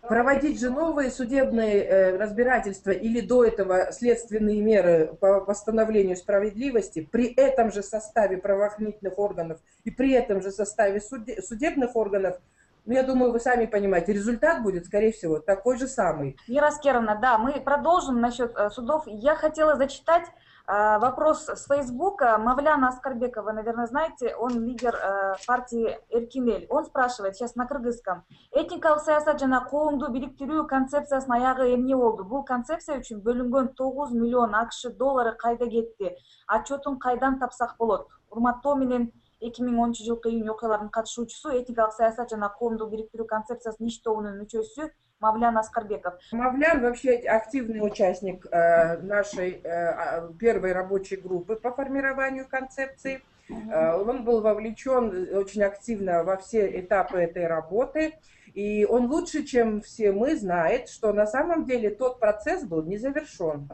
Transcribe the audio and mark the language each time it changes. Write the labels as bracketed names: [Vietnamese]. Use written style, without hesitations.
[Russian] Проводить же новые судебные разбирательства или до этого следственные меры по восстановлению справедливости при этом же составе правоохранительных органов и при этом же составе судебных органов, ну, я думаю, вы сами понимаете, результат будет, скорее всего, такой же самый. Вера Аскеровна, да, мы продолжим насчет судов. Я хотела зачитать вопрос с Фейсбука. Мавляна Аскарбекова, вы, наверное, знаете, он лидер партии Эркинель. Он спрашивает сейчас на кыргызском. [Kyrgyz] Этникалык саясат жана коомду бириктирүү концепциясынын аягы эмне болду? Бул концепция үчүн бөлүнгөн 9 миллион АКШ доллары кайда кетти? Отчетун кайдан тапсак болот? Урматтоо менен 2013 жылкы июнь окуяларынын катышуучусу, этникалык саясат жана коомду бириктирүү концепциясынын иш тобунун мүчөсү Мавлян Аскарбеков. [Russian] Мавлян вообще активный участник нашей первой рабочей группы по формированию концепции. Он был вовлечен очень активно во все этапы этой работы. И он лучше, чем все мы, знает, что на самом деле тот процесс был не завершен.